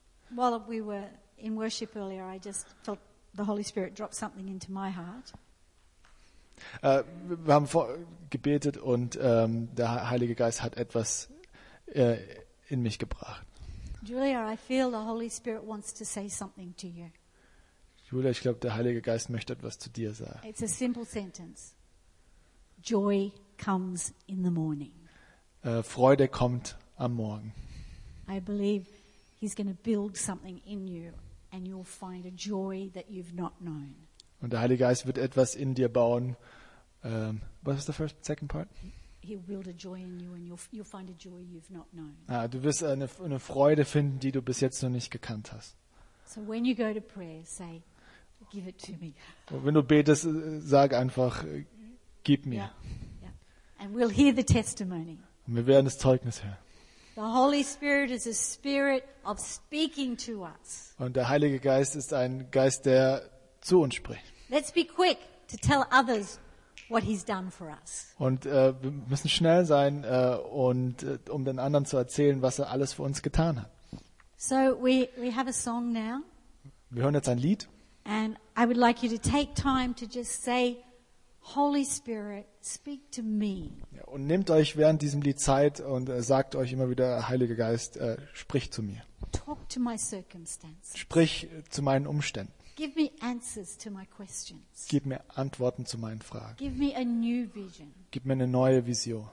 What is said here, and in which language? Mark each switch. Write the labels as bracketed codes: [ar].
[en] While we were in worship earlier, I just felt the Holy Spirit drop something into my heart. [de] Wir haben gebetet und der Heilige Geist hat etwas in mich gebracht. [en] Julia, I feel the Holy Spirit wants to say something to you. [de] Julia, ich glaube, der Heilige Geist möchte etwas zu dir sagen. [en] It's a simple sentence. Joy comes in the morning. [de] Freude kommt am Morgen. [en] I believe he's going to build something in you and you'll find a joy that you've not known. [de] Und der Heilige Geist wird etwas in dir bauen. [en] What was the first, second part? He'll build a joy in you and you'll find a joy you've not known. [de] Ah, du wirst eine Freude finden, die du bis jetzt noch nicht gekannt hast. [en] So when you go to prayer, say, give it to me. [de] Und wenn du betest, sag einfach, gib mir. [en] Yeah. And we'll hear the testimony. [de] Und wir werden das Zeugnis hören. [en] The Holy Spirit is a spirit of speaking to us. [de] Und der Heilige Geist ist ein Geist, der zu uns spricht. [en] Let's be quick to tell others what he's done for us. [de] Und wir müssen schnell sein um den anderen zu erzählen, was er alles für uns getan hat. [en] So we have a song now. [de] Wir hören jetzt ein Lied. [en] And I would like you to take time to just say, Holy Spirit, speak to me. [de] Und nehmt euch während diesem Lied Zeit und sagt euch immer wieder, Heiliger Geist, sprich zu mir. [en] Talk to my circumstances. [de] Sprich zu meinen Umständen. [en] Give me answers to my questions. [de] Gib mir Antworten zu meinen Fragen. [en] Give me a new vision. [de] Gib mir eine neue Vision.